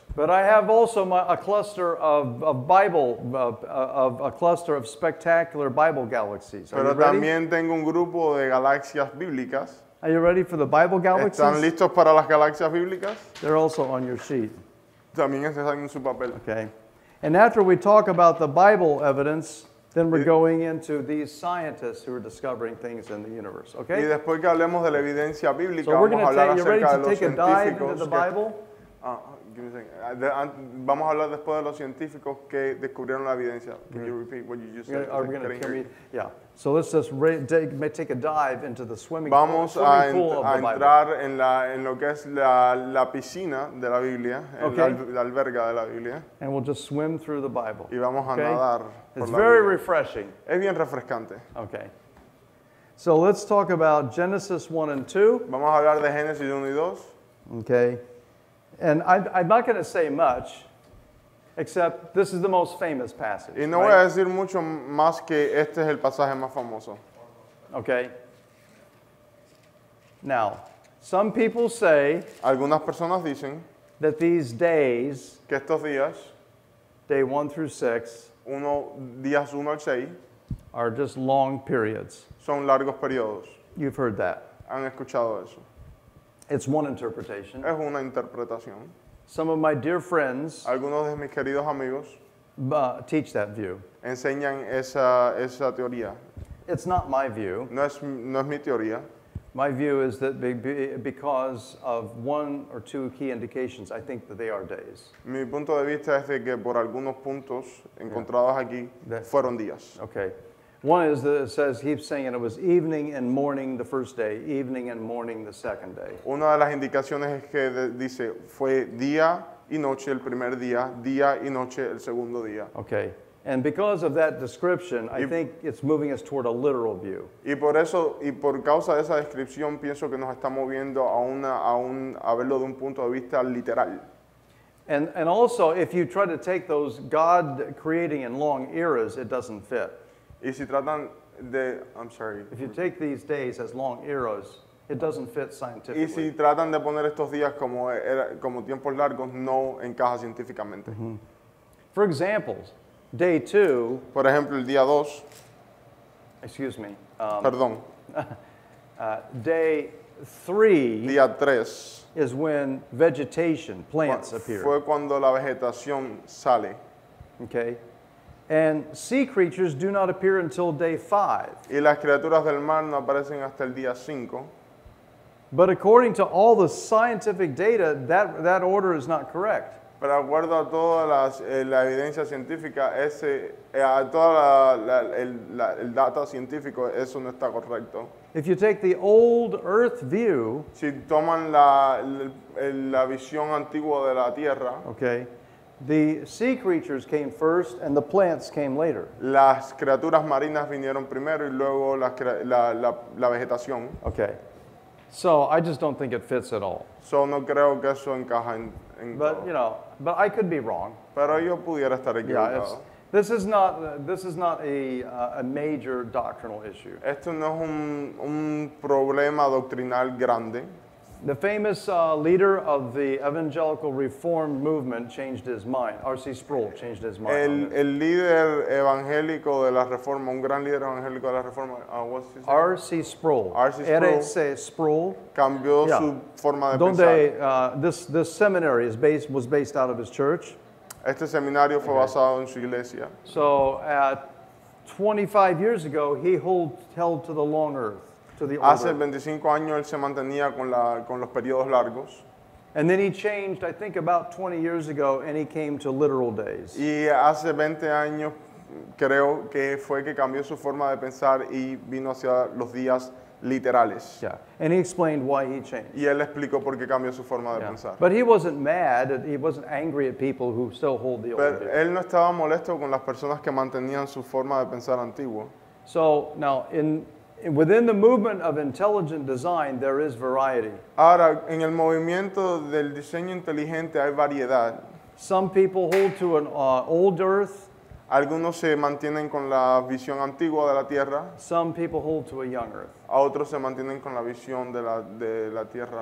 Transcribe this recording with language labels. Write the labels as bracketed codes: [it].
[en] But I have also a cluster of spectacular Bible galaxies. [es] Pero también tengo un grupo de galaxias bíblicas. [en] Are you ready for the Bible galaxies? [es] ¿Están listos para las galaxias bíblicas? [en] They're also on your sheet. [es] También están en su papel. [en] Okay. And after we talk about the Bible evidence, then we're going into these scientists who are discovering things in the universe, okay? [es] Y después que hablemos de la evidencia bíblica, [en] so [es] vamos a hablar acerca de los científicos. [en] You're ready to take a dive into the Bible? [es] Vamos a hablar después de los científicos que descubrieron la evidencia. [en] Can you repeat what you just said? Are we going to So let's just take a dive into the swimming pool of the Bible. [es] Vamos a entrar en lo que es la piscina de la Biblia, la alberga de la Biblia. [en] And we'll just swim through the Bible. [es] Y vamos a nadar por la Biblia. [en] It's very refreshing. [es] Es bien refrescante. [en] Okay. So let's talk about Genesis 1 and 2. [es] Vamos a hablar de Génesis 1 y 2. [en] Okay. And I'm not going to say much, except this is the most famous passage. [es] Y no [en] right? [es] voy a decir mucho más que este es el pasaje más famoso. [en] Okay. Now, some people say [es] algunas personas dicen [en] that these days, [es] que estos días, [en] day 1 through 6, [es] uno, días 1 al 6, [en] are just long periods. [es] Son largos periodos. [en] You've heard that. [es] Han escuchado eso. [en] It's one interpretation. [es] Es una interpretación. [en] Some of my dear friends, [es] algunos de mis queridos amigos, [en] teach that view. [es] Enseñan esa teoría. [en] It's not my view. [es] No es mi teoría. [en] My view is that because of one or two key indications, I think that they are days. [es] Mi punto de vista es de que por algunos puntos encontrados aquí fueron días. [en] Okay. One is that it says he's saying it was evening and morning the first day, evening and morning the second day. [es] Una de las indicaciones es que dice fue día y noche el primer día y noche el segundo día. [en] Okay. And because of that description, I think it's moving us toward a literal view. [es] Y por eso, y por causa de esa descripción, pienso que nos está moviendo a verlo de un punto de vista literal. [en] And also, if you try to take those God creating in long eras, it doesn't fit. [es] Y si tratan de, [en] I'm sorry. If you take these days as long eras, it doesn't fit scientifically. [es] Y si tratan de poner estos días como tiempos largos, no encaja científicamente. Mm-hmm. [en] For example, day 2. [es] Por ejemplo, el día 2. [en] Excuse me. [es] Perdón. [en] Day 3. [es] Día 3. [en] Is when vegetation, plants appear. [es] Fue cuando la vegetación sale. [en] Okay. And sea creatures do not appear until day 5. [es] Y las criaturas del mar no aparecen hasta el día 5. [en] But according to all the scientific data, that order is not correct. [es] Pero acuerdo a toda la evidencia científica, el data científico, eso no está correcto. [en] If you take the old Earth view, [es] si toman la visión antigua de la Tierra, [en] okay, the sea creatures came first and the plants came later. [es] Las criaturas marinas vinieron primero y luego la vegetación. [en] Okay. So I just don't think it fits at all. [es] So no creo que eso encaje en [en] But you know, but I could be wrong. [es] Pero yo pudiera estar equivocado. [en] Yeah, this is not a major doctrinal issue. [es] Esto no es un problema doctrinal grande. [en] The famous leader of the evangelical reformed movement changed his mind. R.C. Sproul changed his mind. [es] El líder evangélico de la reforma, un gran líder evangélico de la reforma, [en] what's his name? [es] R.C. Sproul. R.C. Sproul. R.C. Sproul. Cambió su forma de donde, pensar. [en] This seminary was based out of his church. [es] Este seminario fue basado en su iglesia. [en] So, 25 years ago, he held to the long earth. [es] Hace 25 años él se mantenía con los periodos largos. [en] And then he changed, I think, about 20 years ago, and he came to literal days. [es] Y hace 20 años creo que fue que cambió su forma de pensar y vino hacia los días literales. [en] Yeah. And he explained why he changed. [es] Y él explicó por qué cambió su forma de pensar. [en] But he wasn't mad, he wasn't angry at people who still hold the old. [es] Pero él no estaba molesto con las personas que mantenían su forma de pensar antiguo. [en] So, now, within the movement of intelligent design, there is variety. [es] Ahora, en el movimiento del diseño inteligente hay variedad. [en] Some people hold to an old earth. [es] Algunos se mantienen con la visión antigua de la Tierra. [en] Some people hold to a young earth. [es] A otros se mantienen con la visión de la Tierra.